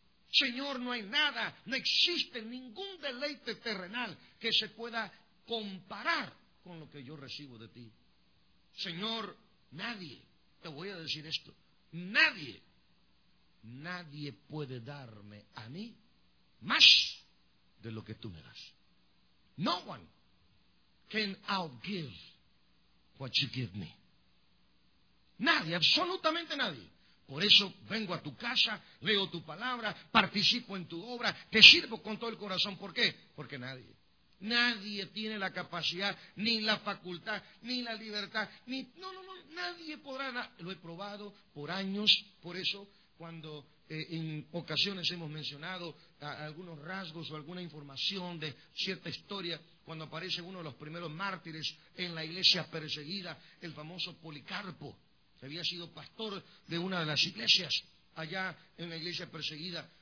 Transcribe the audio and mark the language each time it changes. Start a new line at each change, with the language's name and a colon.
Spanish: Señor, no hay nada, no existe ningún deleite terrenal que se pueda comparar con lo que yo recibo de ti. Señor, nadie, te voy a decir esto, nadie puede darme a mí más de lo que tú me das.
English: No one can outgive what you give me.
Spanish: Nadie, absolutamente nadie. Por eso vengo a tu casa, leo tu palabra, participo en tu obra, te sirvo con todo el corazón. ¿Por qué? Porque nadie. Nadie tiene la capacidad, ni la facultad, ni la libertad, ni no, nadie podrá. Lo he probado por años. Por eso, cuando en ocasiones hemos mencionado algunos rasgos o alguna información de cierta historia, cuando aparece uno de los primeros mártires en la iglesia perseguida, el famoso Policarpo, que había sido pastor de una de las iglesias allá en la iglesia perseguida.